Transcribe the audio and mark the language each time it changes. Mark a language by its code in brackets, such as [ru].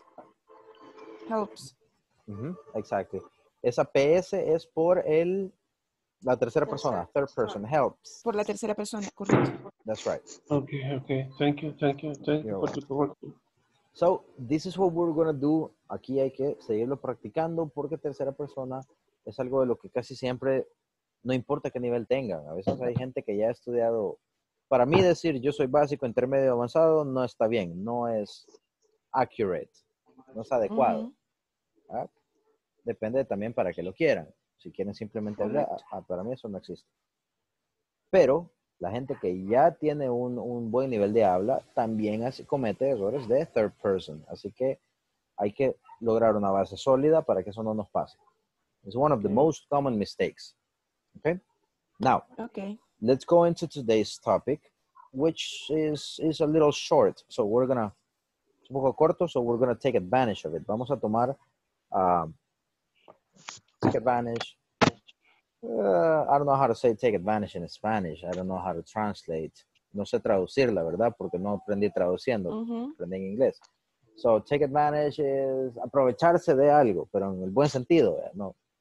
[en] People. Helps. [es] Mm-hmm. [en] Exactly. [es] Esa PS es por el, la tercera persona, [en] third person, helps. [es] Por la tercera persona, correcto. [en] That's right. Okay. Thank you. So, this is what we're going to do. [es] Aquí hay que seguirlo practicando porque tercera persona es algo de lo que casi siempre, no importa qué nivel tengan. A veces hay gente que ya ha estudiado. Para mí decir yo soy básico, intermedio, avanzado, no está bien. No es accurate. No es adecuado. Uh-huh. ¿Ah? Depende también para qué lo quieran. Si quieren simplemente hablar, para mí eso no existe. Pero... La gente que ya tiene un buen nivel de habla también comete errores de [en] third person. [es] Así que hay que lograr una base sólida para que eso no nos pase. [en] It's one of the most common mistakes. Okay? Now, okay. Let's go into today's topic, which is a little short. So we're going to... [es] Es un poco corto, [en] so we're going to take advantage of it. [es] Vamos a tomar... [en] take advantage... I don't know how to say take advantage in Spanish. I don't know how to translate. [es] No sé traducir, la verdad, porque no aprendí traduciendo. Mm-hmm. Aprendí en inglés. [en] So, take advantage is [es] aprovecharse de algo, pero en el buen sentido, no.